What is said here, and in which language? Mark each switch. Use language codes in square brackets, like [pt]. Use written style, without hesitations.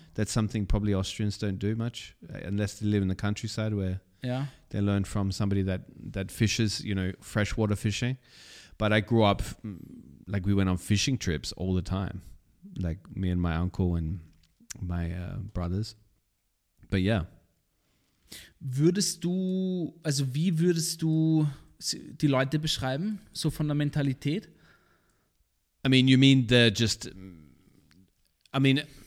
[en] That's something probably Austrians don't do much, unless they live in the countryside where yeah. they learn from somebody that fishes, you know, freshwater fishing. But I grew up, like, we went on fishing trips all the time, like me and my uncle and my brothers. But yeah. [de] Wie würdest du die Leute beschreiben, so von der Mentalität? [en] I mean, you mean the just, I mean,